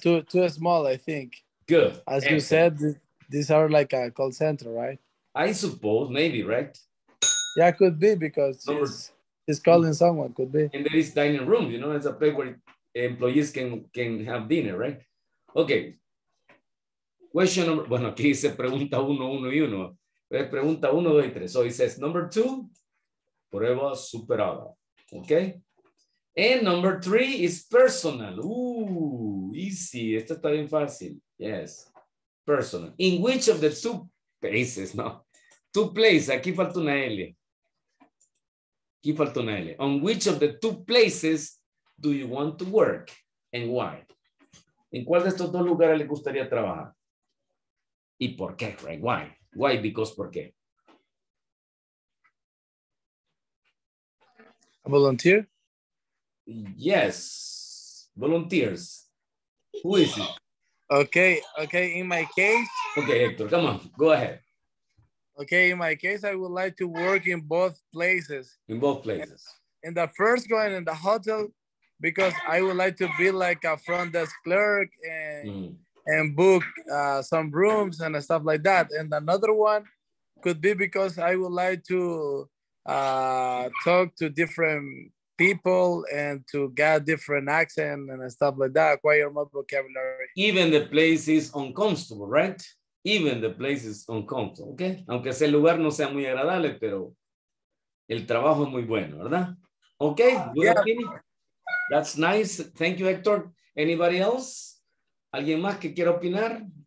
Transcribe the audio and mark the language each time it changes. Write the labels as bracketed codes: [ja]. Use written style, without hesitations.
[en] Yeah, two small, I think. Good. As you said, these are like a call center, right? I suppose, maybe, right? Yeah, could be, because he's calling someone, could be. And there is dining room, you know, it's a place where employees can have dinner, right? Okay. Question number, [es] bueno, aquí dice pregunta uno, uno y uno. Pregunta uno, dos y tres. [en] So it says number two, [es] prueba superada. Okay. [en] And number three is personal. Ooh, easy. [es] Esto está bien fácil. [en] Yes. Personal. In which of the two places, no? Two places, [es] aquí falta una L. Aquí falta una L. [en] On which of the two places do you want to work and why? [es] ¿En cuál de estos dos lugares le gustaría trabajar? ¿Y por qué? [en] Right? Why? Why? Because [es] por qué? [en] A volunteer? Yes. Volunteers. Who is it? Okay, okay, in my case. Okay, Hector, come on, go ahead. Okay, in my case, I would like to work in both places. In both places. In the first one, in the hotel, because I would like to be like a front desk clerk and and book some rooms and stuff like that. And another one could be because I would like to talk to different people and to get different accent and stuff like that, acquire more vocabulary. Even the place is uncomfortable, right? Even the place is uncomfortable, okay? [es] Aunque ese lugar no sea muy agradable, pero el trabajo es muy bueno, ¿verdad? [en] Okay, good opinion. That's nice. Thank you, Hector. Anybody else? [es] ¿Alguien más que quiera opinar?